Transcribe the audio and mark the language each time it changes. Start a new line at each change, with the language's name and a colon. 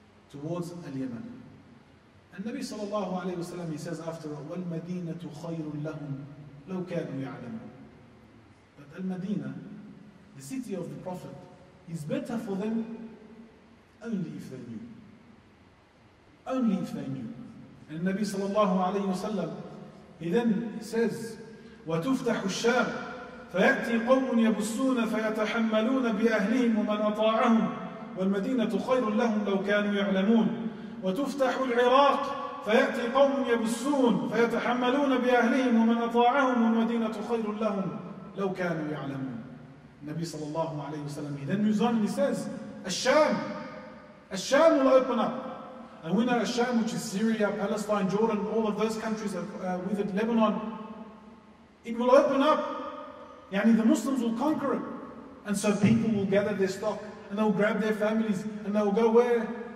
English: Towards Al-Yaman. And Nabi Sallallahu Alaihi Wasallam, he says after,
Arabic: وَالْمَدِينَةُ خَيْرٌ لَهُمْ لَوْ كَانُوا يَعْلَمُونَ.
English: But Al-Madina, the city of the Prophet, is better for them only if they knew. Only if they knew. And Nabi Sallallahu Alaihi Wasallam, he then says,
Arabic: وَتُفْتَحُ الشَّارِ فَيَأْتِي قَوْمٌ يَبُسُّونَ فَيَتَحَمَّلُونَ بِأَهْلِهِمْ وَمَنْ أَطَاعَهُمْ وَالْمَدِينَةُ خَيْرٌ لَهُمْ لَوْ كَانُوا يَعْلَمُونَ وَتُفْتَحُ الْعِرَاقُ فَيَأْتِي قَوْمٌ يَبُسُّونَ فَيَتَحَمَّلُونَ بِأَهْلِهِمْ وَمَنْ أَطَاعَهُمْ وَالْمَدِينَةُ خَيْرٌ لَهُمْ لَوْ كَانُوا يَعْلَمُونَ.
English: النبي صلى الله عليه وسلم, he then moves on and he says, Al-Sham will open up. And we know Al-Sham, which is Syria, Palestine, Jordan, all of those countries with it, Lebanon, it will open up. Yani the Muslims will conquer it. And so people will gather their stock, and they'll grab their families, and they'll go where?